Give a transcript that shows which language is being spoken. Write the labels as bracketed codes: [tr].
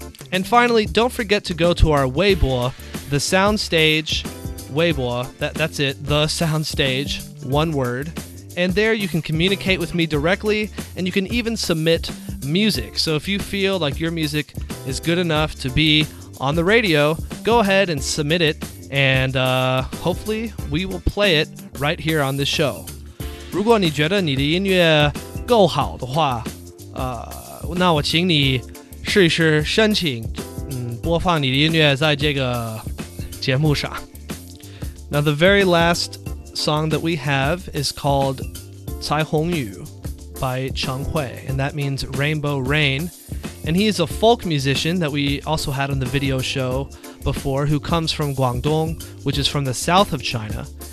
[en] And finally, don't forget to go to our Weibo, The Soundstage Weibo, that's it, The Soundstage, one word, and there you can communicate with me directly, and you can even submit music. So if you feel like your music is good enough to be on the radio, go ahead and submit it, and hopefully we will play it right here on this show. [zh] 如果你觉得你的音乐够好的话，那我请你试一试申请播放你的音乐在这个节目上。 [en] Now the very last song that we have is called 彩虹雨 by 程慧 and that means Rainbow Rain. And he is a folk musician that we also had on the video show before who comes from Guangdong, which is from the south of China.